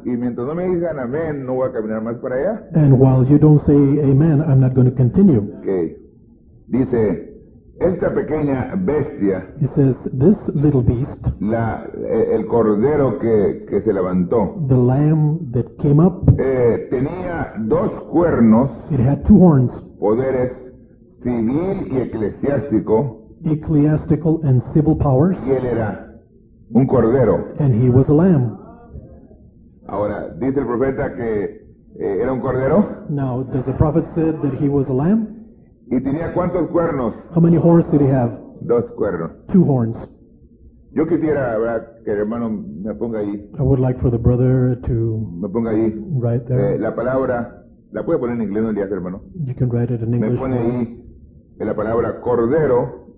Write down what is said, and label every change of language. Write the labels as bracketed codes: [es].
[es] Y mientras no me digan amén, no voy a caminar más para allá. [en] And while you don't say amen, I'm not going to continue. [es] Okay. Dice, esta pequeña bestia. [en] He says, this little beast. [es] El cordero que se levantó. [en] The lamb that came up. [es] Tenía dos cuernos. [en] It had two horns. [es] Poderes civil y eclesiástico. [en] Ecclesiastical and civil powers. [es] Y él era un cordero. [en] And he was a lamb. [es] Ahora, dice el profeta que era un cordero. [en] Now, does the prophet say that he was a lamb? [es] ¿Y tenía cuántos cuernos? [en] How many horns did he have? [es] Dos cuernos. [en] Two horns. [es] Yo quisiera, ¿verdad?, que el hermano me ponga ahí. [en] I would like for the brother to... [es] Me ponga ahí. [en] Right there. [es] La palabra, ¿la puede poner en inglés, no le hace, hermano? [en] You can write it in English. [es] Me pone ahí la palabra cordero.